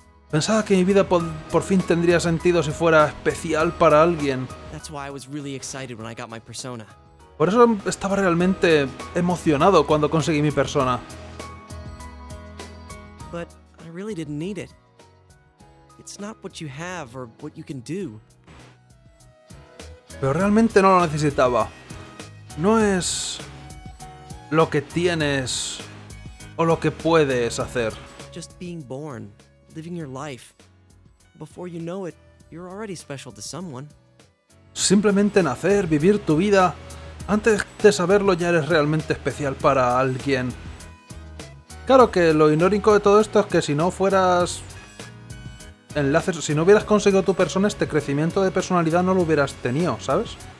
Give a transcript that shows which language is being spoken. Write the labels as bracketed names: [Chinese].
[Spanish] Pensaba que mi vida por fin tendría sentido si fuera especial para alguien. [English] That's why I was really excited when I got my persona. [Spanish] Por eso estaba realmente emocionado cuando conseguí mi persona. [English] But I really didn't need it. It's not what you have or what you can do. [Spanish] Pero realmente no lo necesitaba. No es lo que tienes o lo que puedes hacer. [English] Just being born, living your life. Before you know it, you're already special to someone. [Spanish] Simplemente nacer, vivir tu vida. Antes de saberlo, ya eres realmente especial para alguien. Claro que lo irónico de todo esto es que si no fueras... enlaces, si no hubieras conseguido tu persona, este crecimiento de personalidad no lo hubieras tenido, ¿sabes?